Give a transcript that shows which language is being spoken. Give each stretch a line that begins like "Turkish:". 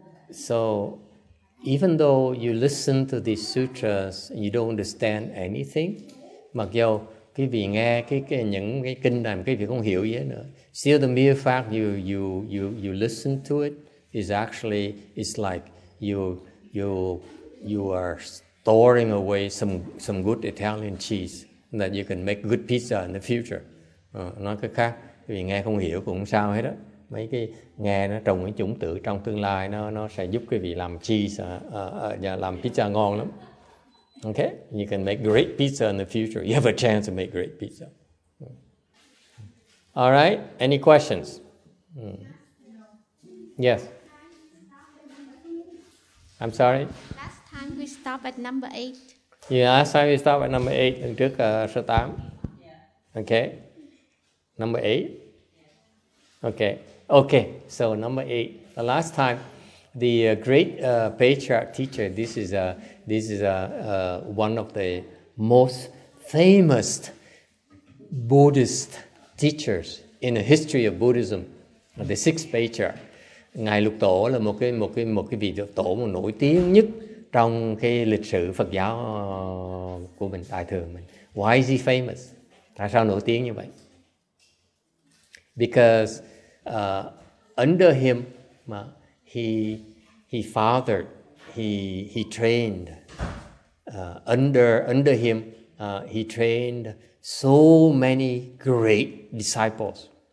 English: So, even though you listen to these sutras, you don't understand anything.
Vietnamese: Mặc dù quý vị nghe những cái kinh này mà quý vị không hiểu gì hết nữa.
English: Still, the mere fact you listen to it is actually, it's like you are storing away some good Italian cheese that you can make good pizza in the future.
Vietnamese: Nói cái khác, vì nghe không hiểu cũng sao hết đó. Mấy cái nghe nó trồng cái chủng tử trong tương lai nó sẽ giúp quý vị làm cheese, làm pizza ngon lắm.
English: Okay, you can make great pizza in the future. You have a chance to make great pizza. All right, any questions? Yes. I'm sorry. Last time we stopped at number 8. Yeah, last time we stopped at number 8,
Vietnamese: lần trước số 8.
English: Yeah. Okay. Number 8. Okay. Okay, so number 8. The last time the great patriarch teacher, this is one of the most famous Buddhist teachers in the history of Buddhism, the sixth patriarch.
Vietnamese: Ngài Lục Tổ là một cái vị tổ nổi tiếng nhất trong cái lịch sử Phật giáo của mình tại thường mình.
English: Why is he famous?
Vietnamese: Tại sao nổi tiếng như vậy?
English: Because under him, he trained so many great disciples.